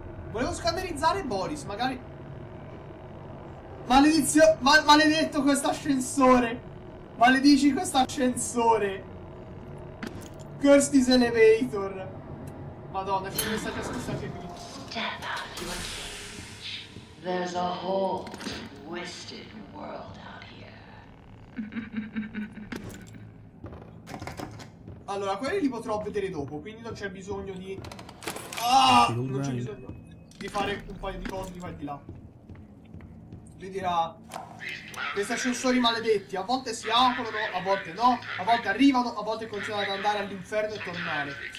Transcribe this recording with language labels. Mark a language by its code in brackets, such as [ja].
[it] Volevo scannerizzare Boris, magari. Maledetto questo ascensore. Maledici questo ascensore. Curse this elevator. Madonna, che mi sta già scusando qui. [en] Step out your cage. There's a whole twisted world out here. [it] Allora, quelli li potrò vedere dopo, quindi non c'è bisogno di... non c'è bisogno di fare un paio di cose di qua e di là. Lui dirà... Questi ascensori maledetti, a volte si aprono, a volte no, a volte arrivano, a volte continuano ad andare all'inferno e tornare.